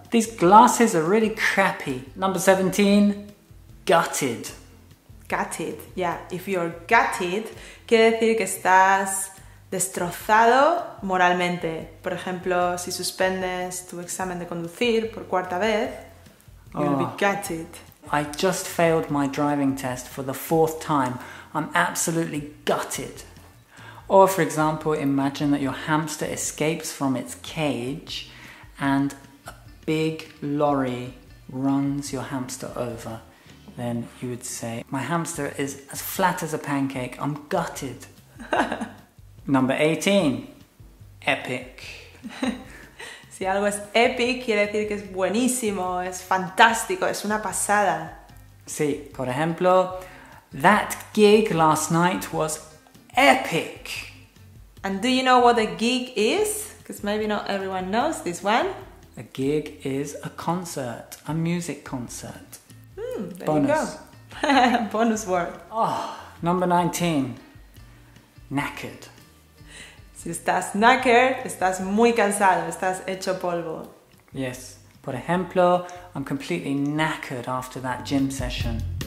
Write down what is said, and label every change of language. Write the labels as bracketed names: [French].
[English] These glasses are really crappy. Number 17, gutted. Gutted, yeah. If you're gutted, [Spanish] quiere decir que estás destrozado moralmente. Por ejemplo, si suspendes tu examen de conducir por cuarta vez, [English] you'll be gutted. I just failed my driving test for the fourth time. I'm absolutely gutted. Or, for example, imagine that your hamster escapes from its cage and a big lorry runs your hamster over. Then you would say, my hamster is as flat as a pancake, I'm gutted. Number 18, epic. [Spanish] Si algo es epic, quiere decir que es buenísimo, es fantástico, es una pasada. Sí, por ejemplo, [English] that gig last night was epic. And do you know what a gig is? Because maybe not everyone knows this one. A gig is a concert, a music concert. There bonus. You go. Bonus word. Oh, number 19. Knackered. [Spanish] Si estás knackered, estás muy cansado, estás hecho polvo. [English] Yes. [Spanish] Por ejemplo, [English] I'm completely knackered after that gym session.